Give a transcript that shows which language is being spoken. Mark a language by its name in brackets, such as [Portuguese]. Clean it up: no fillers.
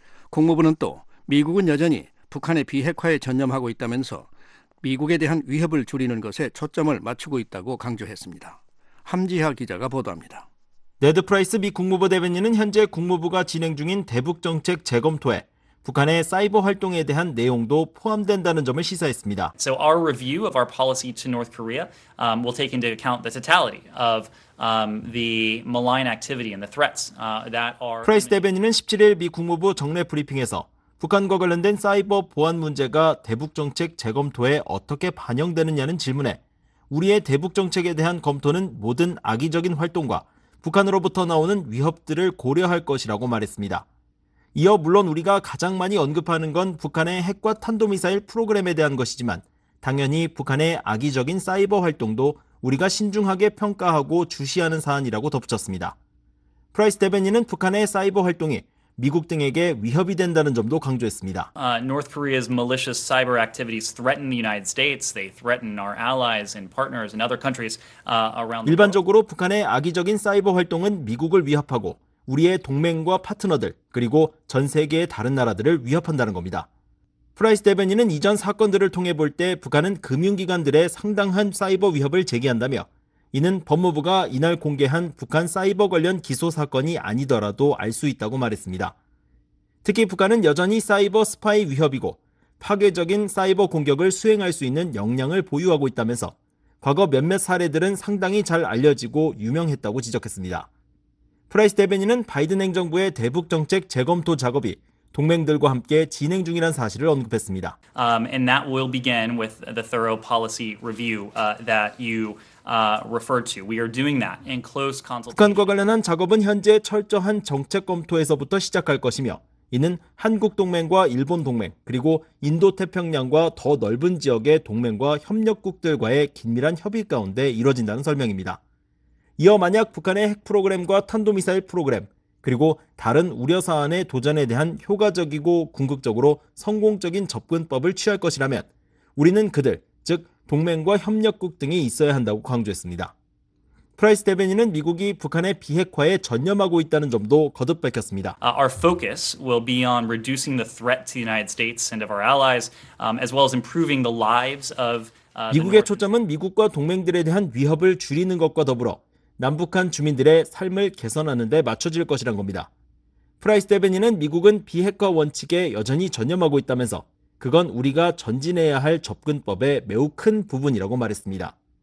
[Korean] 국무부는 또 미국은 여전히 북한의 비핵화에 전념하고 있다면서 미국에 대한 위협을 줄이는 것에 초점을 맞추고 있다고 강조했습니다. 함지하 기자가 보도합니다. 네드 프라이스 미 국무부 대변인은 현재 국무부가 진행 중인 대북정책 재검토에 북한의 사이버 활동에 대한 내용도 포함된다는 점을 시사했습니다. [English] So our review of our policy to North Korea will take into account the totality of the malign activity and the threats that are [Korean] 프라이스 대변인은 17일 미 국무부 정례 브리핑에서 북한과 관련된 사이버 보안 문제가 대북 정책 재검토에 어떻게 반영되느냐는 질문에 우리의 대북 정책에 대한 검토는 모든 악의적인 활동과 북한으로부터 나오는 위협들을 고려할 것이라고 말했습니다. 이어 물론 우리가 가장 많이 언급하는 건 북한의 핵과 탄도미사일 프로그램에 대한 것이지만 당연히 북한의 악의적인 사이버 활동도 우리가 신중하게 평가하고 주시하는 사안이라고 덧붙였습니다. 프라이스 대변인은 북한의 사이버 활동이 미국 등에게 위협이 된다는 점도 강조했습니다. [English] North Korea's malicious cyber activities threaten the United States. They threaten our allies and partners in other countries around. [Korean] 일반적으로 북한의 악의적인 사이버 활동은 미국을 위협하고 우리의 동맹과 파트너들 그리고 전 세계의 다른 나라들을 위협한다는 겁니다. 프라이스 대변인은 이전 사건들을 통해 볼 때 북한은 금융기관들의 상당한 사이버 위협을 제기한다며 이는 법무부가 이날 공개한 북한 사이버 관련 기소 사건이 아니더라도 알 수 있다고 말했습니다. 특히 북한은 여전히 사이버 스파이 위협이고 파괴적인 사이버 공격을 수행할 수 있는 역량을 보유하고 있다면서 과거 몇몇 사례들은 상당히 잘 알려지고 유명했다고 지적했습니다. 프라이스 대변인은 바이든 행정부의 대북 정책 재검토 작업이 동맹들과 함께 진행 중이라는 사실을 언급했습니다. [English] And that will begin with the thorough policy review that you referred to. We are doing that in close consultation. [Korean] 북한과 관련한 작업은 현재 철저한 정책 검토에서부터 시작할 것이며 이는 한국 동맹과 일본 동맹 그리고 인도태평양과 더 넓은 지역의 동맹과 협력국들과의 긴밀한 협의 가운데 이뤄진다는 설명입니다. 이어 만약 북한의 핵 프로그램과 탄도미사일 프로그램 그리고 다른 우려사안의 도전에 대한 효과적이고 궁극적으로 성공적인 접근법을 취할 것이라면 우리는 그들, 즉 동맹과 협력국 등이 있어야 한다고 강조했습니다. 프라이스 대변인은 미국이 북한의 비핵화에 전념하고 있다는 점도 거듭 밝혔습니다. [English] Our focus will be on reducing the threat to the United States and of our allies, as well as improving the lives of [Korean] 미국의 초점은 미국과 동맹들에 대한 위협을 줄이는 것과 더불어 남북한 주민들의 삶을 개선하는 데 맞춰질 것이란 겁니다. 프라이스 대변인은 미국은 비핵화 원칙에 여전히 전념하고 있다면서 그건 우리가 전진해야 할 접근법의 매우 큰 부분이라고 말했습니다.